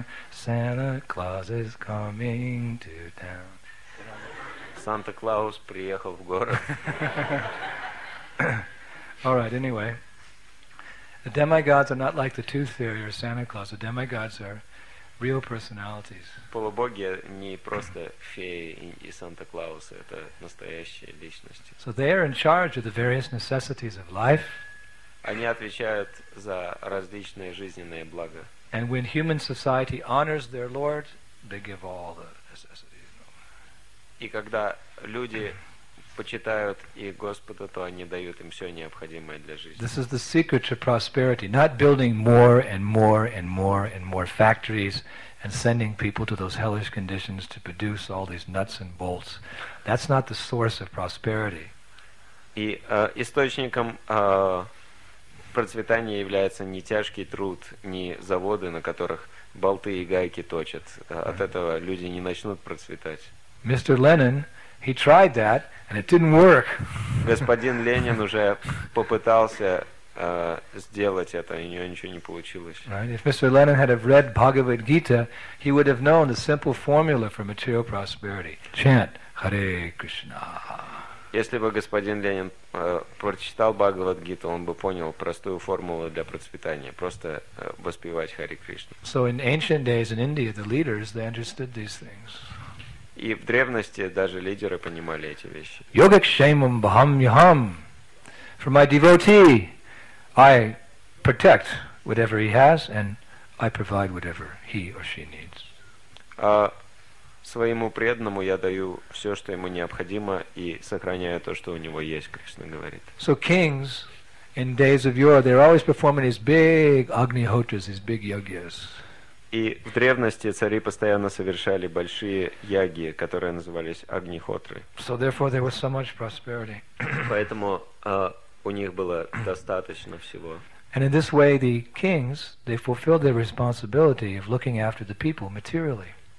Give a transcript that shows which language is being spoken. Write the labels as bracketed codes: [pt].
[en] Santa Claus is coming to town. [ru] Santa Claus приехал в город. [en] All right, anyway. The demigods are not like the tooth fairy or Santa Claus. The demigods are real personalities. [ru] Полубоги не просто феи и Санта Клаус, это настоящие личности. [en] So they are in charge of the various necessities of life. [ru] Они отвечают за различные жизненные блага. [en] And when human society honors their lord, they give all the necessities. [ru] И когда люди почитают и Господа, то они дают им все необходимое для жизни. [en] This is the secret to prosperity, not building more and more and more and more factories and sending people to those hellish conditions to produce all these nuts and bolts. That's not the source of prosperity. [ru] И источником процветания является не тяжкий труд, не заводы, на которых болты и гайки точат. От этого люди не начнут процветать. [en] Mr. Lenin, he tried that and it didn't work. [ru] Господин Ленин уже попытался сделать это, и у него ничего не получилось. [en] Right? If Mr. Lenin had have read Bhagavad Gita, he would have known the simple formula for material prosperity. Chant Hare Krishna. [ru] Если бы господин Ленин прочитал Бхагавад Гиту, он бы понял простую формулу для процветания. Просто воспевать Харе Кришна. [en] So in ancient days in India, the leaders, they understood these things. [ru] И в древности даже лидеры понимали эти вещи. [sa] Йогакшемам бхам йахам. [en] For my devotee, I protect whatever he has and I provide whatever he or she needs. [ru] Своему преданному я даю все, что ему необходимо, и сохраняю то, что у него есть, Кришна говорит. [en] So kings in days of yore, they're always performing these big agnihotras, these big yogyas. [ru] И в древности цари постоянно совершали большие яги, которые назывались агнихотры. [en] So therefore there was so much prosperity. [ru] Поэтому у них было достаточно всего. [en] And in this way the kings, they fulfilled their responsibility of looking after the people materially.